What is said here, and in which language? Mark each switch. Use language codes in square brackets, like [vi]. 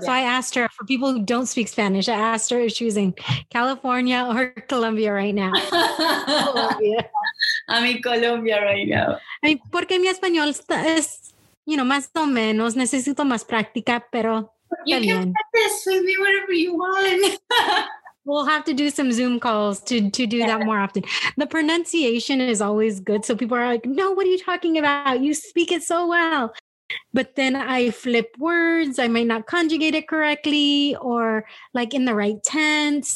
[en] So I asked her, for people who don't speak Spanish, I asked her if she was in California or Colombia right now. Colombia. I'm in Colombia right now. I mean, [es] porque mi español es, [en] you know, [es] más o menos, necesito más práctica, pero... [en] You can practice with me whatever you want. We'll have to do some Zoom calls to do that more often. The pronunciation is always good. So people are like, no, what are you talking about? You speak it so well. But then I flip words. I might not conjugate it correctly or like in the right tense.